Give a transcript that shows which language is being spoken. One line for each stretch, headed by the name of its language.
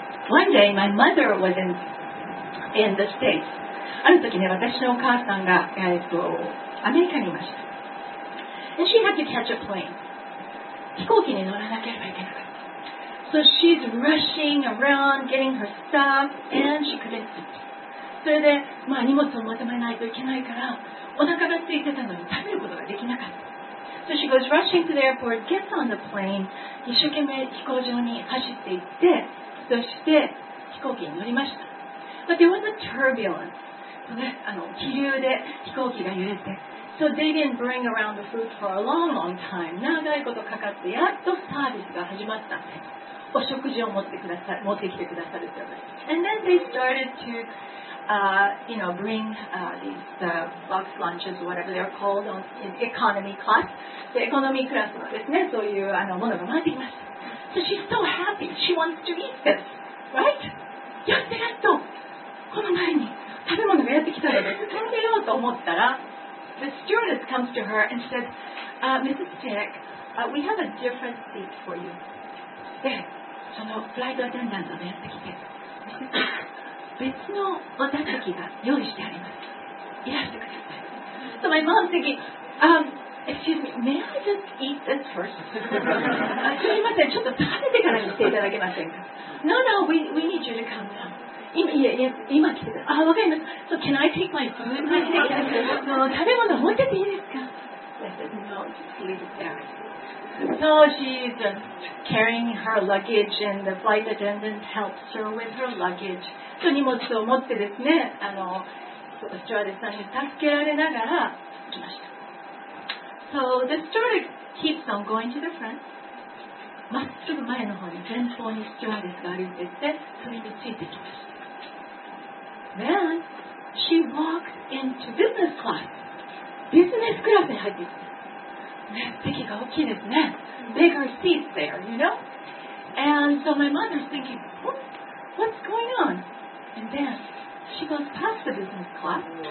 English: One day, my mother was in the States.
Japanese: ある時ね、私のお母さんが、アメリカにいました。
English: And she had to catch a plane.
Japanese: 飛行機に乗らなければいけなかった。
English: So she's rushing around, getting her stuff, and she couldn't sleep.
Japanese: それで、まあ、荷物をまとめないといけないから、お腹が空いてたのに食べることができなかった。
English: So she goes rushing to the airport, gets on the plane,
Japanese: 一生懸命飛行場に走っていって、そして飛行機に乗りました。
English: But there was a turbulence.
Japanese: そうね、気流で飛行機が揺れて。
English: So they didn't bring around the food for a long, long time.
Japanese: 長いことかかって、やっとサービスが始まったんです。お食事を持ってきてくださるって。
English: And then they started to... bring these box lunches, whatever they're called, in economy class.
Japanese: The economy class はですね、そういうものが回ってきました。
English: So she's so happy. She wants to eat this, right?
Japanese: やっとやっと、この前に食べ物がやってきたので、食べようと思ったら、
English: the stewardess comes to her and says, Mrs. Tick, we have a different seat for you.
Japanese: で、そのフライトアテンダントがやってきて、別の私たちが用意してあります。いらしてください。
English: So my mom thinking, excuse me, may I just eat this first?
Japanese: すみません、ちょっと食べてから来ていただけませんか。
English: No, no, we need you to come down.
Japanese: 今来てください。わかります。
English: So can I take my food?
Japanese: 食べ物持ってていいですか。
English: I said, no, just leave it there. So she's carrying her luggage and the flight attendant helps her with her luggage.
Japanese: と荷物を持ってですね、スチュワーデスさんに助けられながら来ました。
English: So the steward keeps on going to the front.
Japanese: まっすぐ前の方に前方にスチュワーデスが歩いていって、それについてきました。
English: Then she walks into business class.
Japanese: ビジネスクラスに入っていって。ね、席が大きいですね。
English: Bigger seats there, you know? And so my mother's thinking, what's going on? And then she goes past the business class.